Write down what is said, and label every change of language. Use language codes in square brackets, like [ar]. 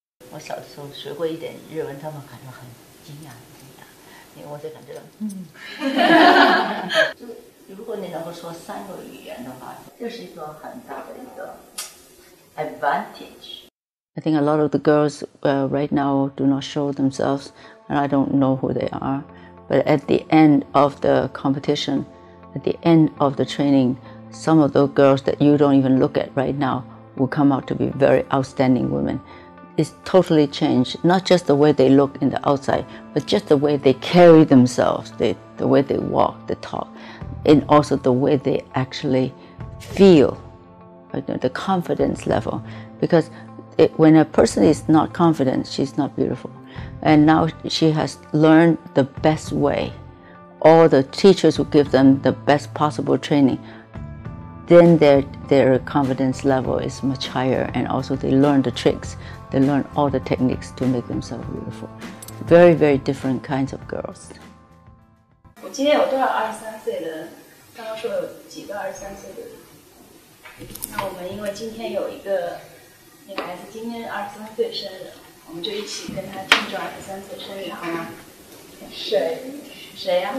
[zh] 我小时候学过一点日文，他们感觉很惊讶，因为我就感觉到，就如果你能够说三个语言的话，这是一个很大的一个 advantage。 [en] I think a lot of the girls right now do not show themselves, and I don't know who they are. But at the end of the competition, at the end of the training, some of those girls that you don't even look at right now will come out to be very outstanding women. Is totally changed, not just the way they look in the outside, but just the way they carry themselves, the way they walk, the talk, and also the way they actually feel, right? The confidence level. Because when a person is not confident, she's not beautiful. And now she has learned the best way. All the teachers who give them the best possible training, then their confidence level is much higher, and also they learn the tricks. They learn all the techniques to make themselves beautiful. Very, very different kinds of girls. [zh] 我今天有多少二十三岁的？刚刚说有几个二十三岁的？那我们因为今天有一个那个孩子今天二十三岁生日，我们就一起跟他庆祝二十三岁生日好吗？谁呀？